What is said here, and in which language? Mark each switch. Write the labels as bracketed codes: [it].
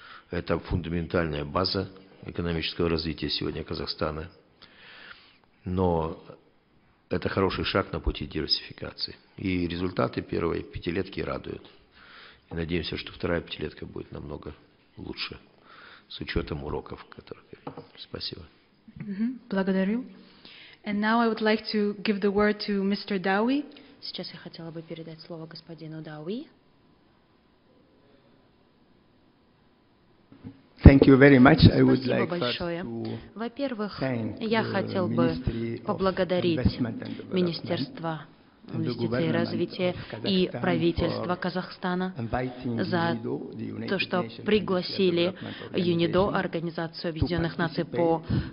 [ru] Это фундаментальная база экономического развития сегодня Казахстана. Но это хороший шаг на пути диверсификации. И результаты первой пятилетки радуют. И надеемся, что вторая пятилетка будет намного лучше, с учетом уроков, которые... Спасибо. Благодарю. [en] And now I would like to give the word to Mr. Dawi. [ru] Сейчас я хотела бы передать слово господину Дауи. [en] Thank you very much. I [ru] Спасибо [en] would like [ru] большое. Во-первых, я хотел бы поблагодарить Министерство инвестиций и развития и правительство Казахстана за то, что пригласили ЮНИДО, Организацию Объединенных Наций по